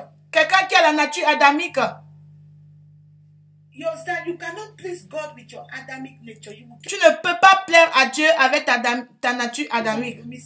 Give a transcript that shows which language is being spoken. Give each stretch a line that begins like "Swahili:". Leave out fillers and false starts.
French: Quelqu'un qui a la nature adamique.
English: You cannot please God with your Adamic nature.
French: Tu ne peux pas plaire à Dieu avec ta nature adamique.